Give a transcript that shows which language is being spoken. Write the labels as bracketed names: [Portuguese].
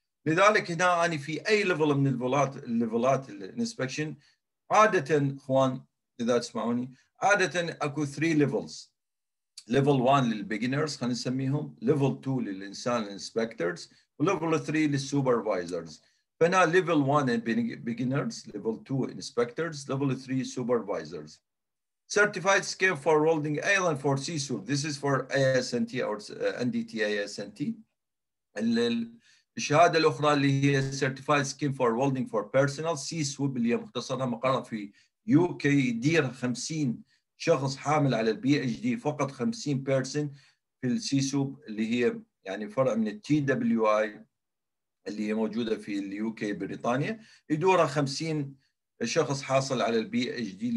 [Arabic] لذلك هنا أنا في أي ليفل من الليفلات الانسبكشن عادة إخوان إذا تسمعوني عادة أكو 3 ليفلز. ليفل 1 للبيجنرز خلينا نسميهم، ليفل 2 للإنسان الانسبكتورز، وليفل 3 للسوبرفايزرز. فهنا ليفل 1 بيجنرز، ليفل 2 انسبكتورز، ليفل 3 سوبرفايزرز. [English] Certified scheme for welding أيضا for CSU. This is for ASNT or NDT ASNT. [Arabic] الشهادة الأخرى اللي هي Certified Scheme for Welding for Personnel CSWIP اللي هي مختصرها مقرها في UK يدير 50 شخص حامل على البي اتش دي فقط 50 بيرسن في CSWIP اللي هي يعني فرع من التي دبليو اي اللي هي موجودة في اليو كي بريطانيا يدورها 50 شخص حاصل على البي اتش دي.